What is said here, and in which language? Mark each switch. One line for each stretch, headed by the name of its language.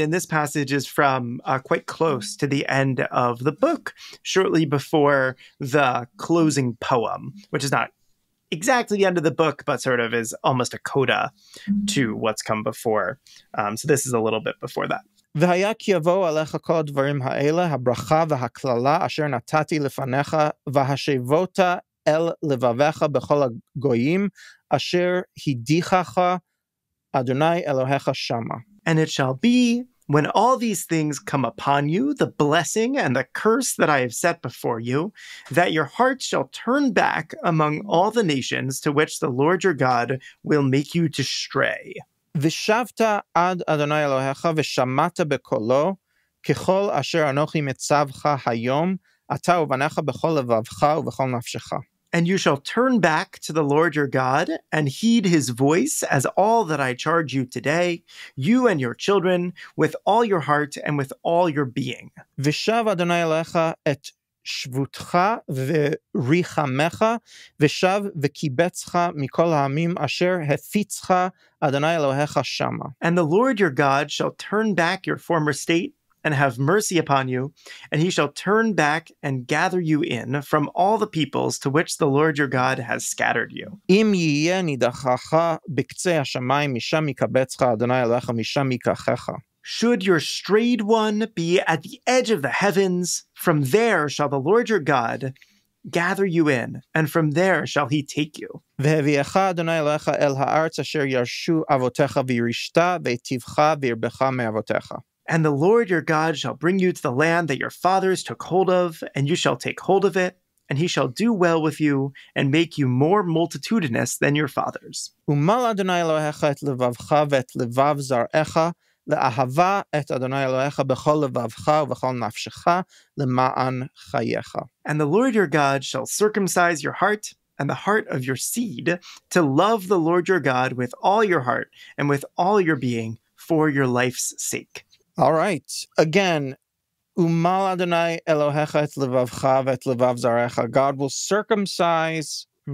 English: And this passage is from quite close to the end of the book, shortly before the closing poem, which is not exactly the end of the book, but sort of is almost a coda to what's come before. So this is a little bit before that.
Hebrew: והיה כי יבואו עליך כל הדברים האלה, הברכה והכללה אשר נתתי לפניך, והשיבות אל לבביך בכל הגויים, אשר הדיחך אדוני אלוהיך שמה.
English: And it shall be, when all these things come upon you, the blessing and the curse that I have set before you, that your heart shall turn back among all the nations to which the Lord your God will make you to stray.
Hebrew: ושבת עד אדוני אלוהיך ושמעת בקולו ככל אשר אנוכי מצבך היום אתה ובניך בכל לבבך ובכל נפשך.
English: And you shall turn back to the Lord your God and heed his voice as all that I charge you today, you and your children, with all your heart and with all your being.
Hebrew: ושב אדוני אלוהיך את שבותך וריחמך ושב וקיבצך מכל העמים אשר הפיצך אדוני אלוהיך שמה.
English: And the Lord your God shall turn back your former state and have mercy upon you, and he shall turn back and gather you in from all the peoples to which the Lord your God has scattered you.
Hebrew: אם יהיה נידחך בקצה השמיים משם יקבצך אדוני אלוהיך משם יקחך.
English: Should your strayed one be at the edge of the heavens, from there shall the Lord your God gather you in, and from there shall he take you.
Hebrew: והביאך אדוני אלוהיך אל הארץ אשר ירשו אבותיך וירשת ויטיבך וירבך מאבותיך.
English: And the Lord your God shall bring you to the land that your fathers took hold of, and you shall take hold of it, and he shall do well with you and make you more multitudinous than your fathers.
Hebrew: ומל אדוני אלוהיך את לבבך ואת לבב זרעך, לאהבה את אדוני אלוהיך בכל לבבך ובכל נפשך למען חייך.
English: And the Lord your God shall circumcise your heart and the heart of your seed to love the Lord your God with all your heart and with all your being for your life's sake. All right. Again, umal Adonai Elohecha et levavcha et levav zarecha. God will circumcise